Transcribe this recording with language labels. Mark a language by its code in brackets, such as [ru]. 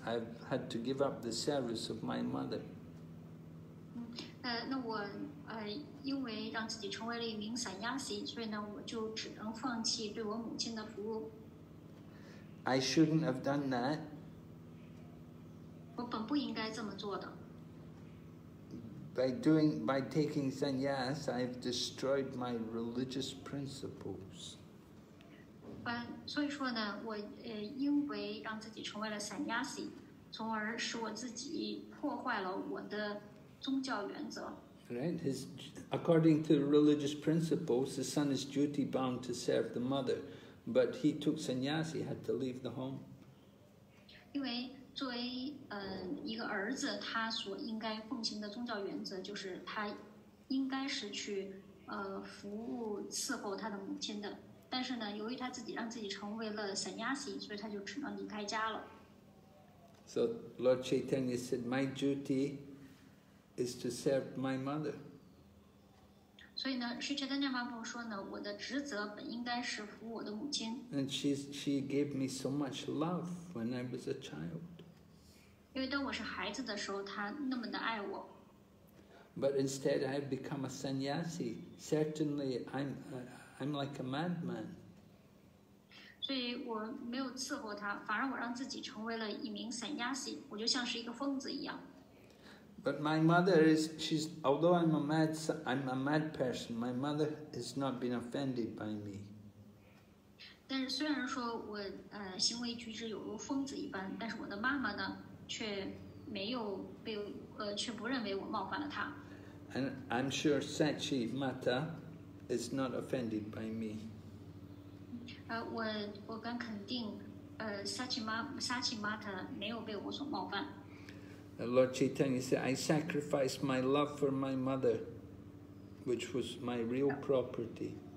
[en] I've had to give up the service of my mother. [zh] 那我因为让自己成为了一名散压西，所以呢，我就只能放弃对我母亲的服务。 [en] I shouldn't have done that. [zh] 我本不应该这么做的。 [en] By taking sannyas, I've destroyed my religious principles. [zh] 所以说呢，我因为让自己成为了散压西，从而使我自己破坏了我的。宗教原则。 [en] Right, according to religious principles, the son is duty bound to serve the mother, but he took sannyas, he had to leave the home. [zh] 因为作为一个儿子，他所应该奉行的宗教原则就是他应该是去服务伺候他的母亲的。但是呢，由于他自己让自己成为了sannyasi，所以他就只能离开家了。 [en] So Lord Chaitanya said, my duty. Is to serve my mother. [zh] 所以呢，释迦牟尼佛说呢，我的职责本应该是服我的母亲。 [en] And she gave me so much love when I was a child. [zh] 因为当我是孩子的时候，她那么的爱我。 [en] But instead, I have become a sannyasi. Certainly, I'm like a madman. [zh] 所以我没有伺候她，反而我让自己成为了一名sannyasi，我就像是一个疯子一样。 [en] But my mother is, she's, although I'm a mad person, my mother has not been offended by me. [zh] 但是虽然说我行为举止有如疯子一般，但是我的妈妈呢，却没有被却不认为我冒犯了她。 [en] And I'm sure Sachi Mata is not offended by me. [zh] 我敢肯定Satchimata 没有被我所冒犯。 [en] Lord Chaitanya said, I sacrificed my love for my mother, which was my real property.